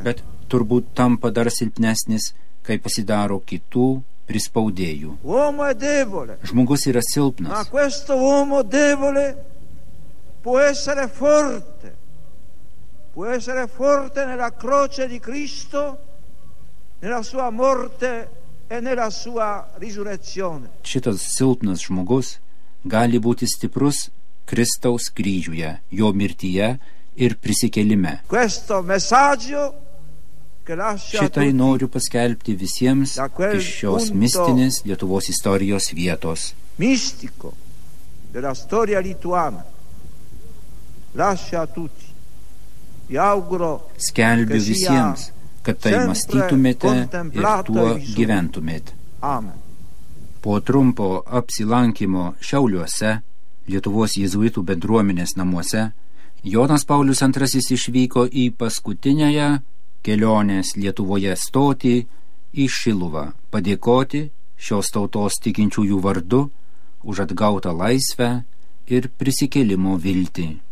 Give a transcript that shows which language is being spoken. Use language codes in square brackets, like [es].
[lt] Bet turbūt tampa dar silpnesnis, kai pasidaro kitų prispaudėjų. [it] Uomo è debole. [lt] Žmogus yra silpnas. [it] Ma questo uomo debole può essere forte. Può essere forte nella croce di Cristo, nella sua morte e nella sua risurrezione. [lt] Šitas silpnas žmogus gali būti stiprus Kristaus kryžiuje, jo mirtyje ir prisikėlime. Šitai noriu paskelbti visiems iš šios mistinės Lietuvos istorijos vietos. [it] Mistico della storia lituana. Lascia tutti. Vi auguro. [lt] Skelbiu visiems, kad tai mąstytumėte ir tuo gyventumėte. Amen. Po trumpo apsilankimo Šiauliuose, Lietuvos jėzuitų bendruomenės namuose, Jonas Paulius II išvyko į paskutinęją kelionės Lietuvoje stotį į Šiluvą, padėkoti šios tautos tikinčiųjų vardu už atgautą laisvę ir prisikėlimo viltį.